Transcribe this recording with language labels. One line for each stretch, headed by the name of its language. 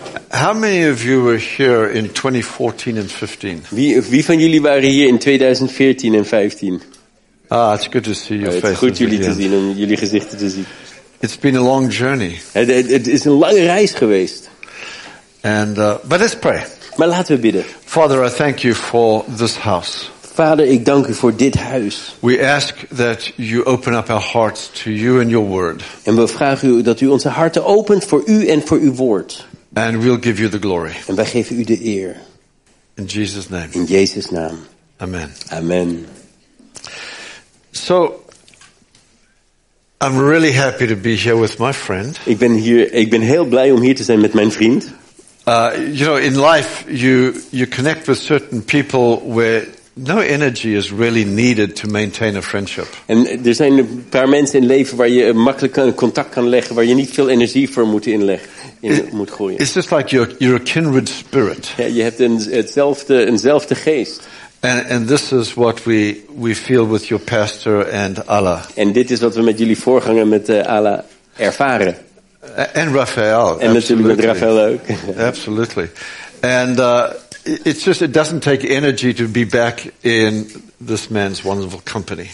English: How many of you were here in 2014 and 15?
Dutch: Wie van jullie waren hier in 2014 en 15?
English: Ah, it's good to see your faces.
Dutch: Het is goed jullie te zien, om jullie gezichten te zien.
English: It's been a long journey.
Dutch: Het is een lange reis geweest.
English: And but let's pray.
Dutch: Maar laten we bidden.
English: Father, I thank you for this house.
Dutch: Vader, ik dank u voor dit huis.
English: We ask that you open up our hearts to you and your word.
Dutch: En we vragen u dat u onze harten opent voor u en voor uw woord.
English: And we'll give you the glory.
Dutch: En wij geven u de eer.
English: In Jesus' name.
Dutch: In Jezus' naam.
English: Amen.
Dutch: Amen.
English: So, I'm really happy to be here with my friend.
Dutch: Ik ben heel blij om hier te zijn met mijn vriend.
English: You know, in life, you connect with certain people where no energy is really needed to maintain a friendship.
Dutch: En er zijn een paar mensen in leven waar je makkelijk een contact kan leggen, waar je niet veel energie voor moet inleggen.
English: It's just like you're a kindred spirit.
Dutch: Ja, je hebt eenzelfde geest.
English: And this is what we feel with your pastor and Allah.
Dutch: En dit is wat we met jullie voorganger met Allah ervaren.
English: And Raphael.
Dutch: En natuurlijk met Raphael ook.
English: Absolutely. And it doesn't take energy to be back in this man's wonderful company.